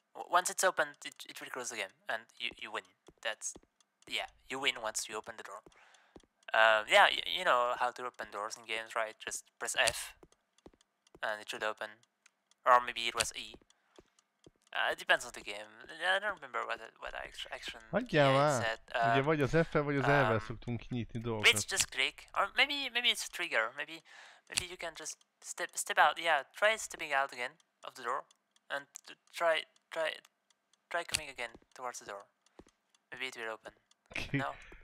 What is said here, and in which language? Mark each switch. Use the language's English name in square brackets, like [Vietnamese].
[English] Once it's open, it will close again, and you win. That's, yeah, you win once you open the door. Yeah, you know how to open doors in games, right? Just press F, and it should open. Or maybe it was E. It depends on the game. I don't remember what action. [Hungarian] Hagyjál már! Ugye vagy az F-el, vagy az L-vel szoktunk kinyitni dolgokat. [English] Maybe it's just click. Or maybe it's a trigger. Maybe you can just step out. Yeah, try stepping out again of the door. And try coming again towards the door. Maybe it will open. No.